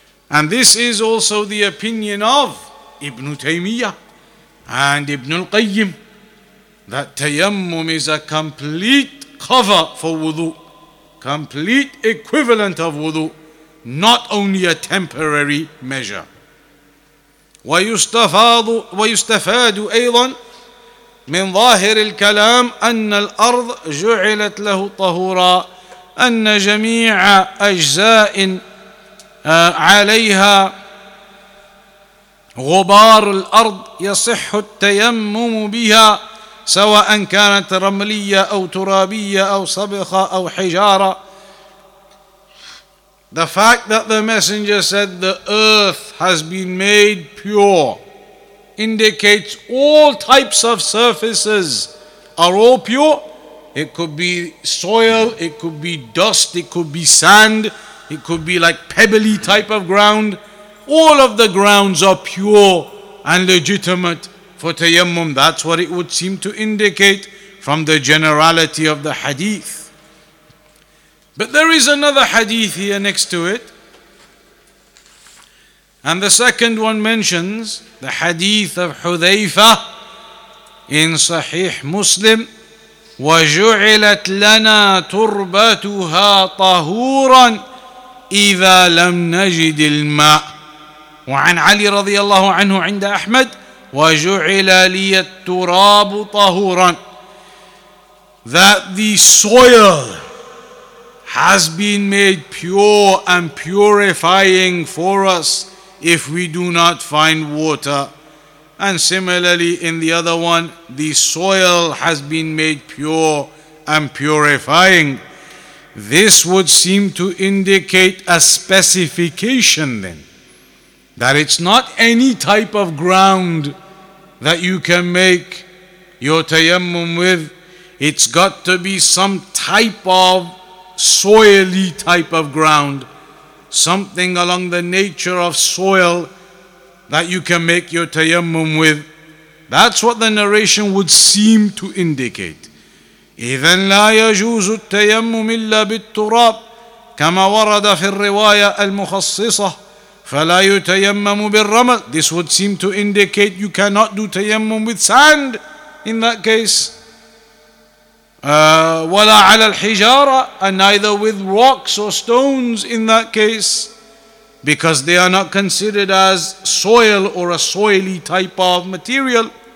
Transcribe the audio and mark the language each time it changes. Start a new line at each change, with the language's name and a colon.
English: And this is also the opinion of Ibn Taymiyyah and Ibn al-Qayyim, that tayammum is a complete cover for wudu, complete equivalent of wudu, not only a temporary measure.
Arabic: وَيُسْتَفَادُ أَيْضًا مِنْ ظَاهِرِ الْكَلَامِ أَنَّ الْأَرْضَ جُعِلَتْ لَهُ طَهُورًا أَنَّ جَمِيعَ أَجْزَاءٍ عليها غبار الأرض يصح التيمم بها سواء كانت رملية أو ترابية أو صبخة أو حجارة.
English: The fact that the messenger said the earth has been made pure indicates all types of surfaces are all pure. It could be soil, it could be dust, it could be sand, it could be like pebbly type of ground. All of the grounds are pure and legitimate for tayammum. That's what it would seem to indicate from the generality of the hadith. But there is another hadith here next to it. And the second one mentions the hadith of Hudhayfa in Sahih Muslim.
Arabic: وَجُعِلَتْ لَنَا تُرْبَتُهَا طَهُورًا إِذَا لَمْ نَجِدِ الْمَاءِ. وعن علي رضي الله عنه عند أحمد وَجُعِلَ لِيَ التُّرَابُ طَهُورًا.
English: That the soil has been made pure and purifying for us if we do not find water. And similarly in the other one, the soil has been made pure and purifying. This would seem to indicate a specification then, that it's not any type of ground that you can make your tayammum with. It's got to be some type of soily type of ground, something along the nature of soil that you can make your tayammum with. That's what the narration would seem to indicate.
Arabic: إذن لا يجوز التيمم إلا بالتراب كما ورد في الرواية المخصصة فلا يتيمم بالرمل.
English: This would seem to indicate you cannot do tayammum with sand in that case.
Arabic: ولا على الحجارة,
English: and neither with rocks or stones in that case, because they are not considered as soil or a soily type of material.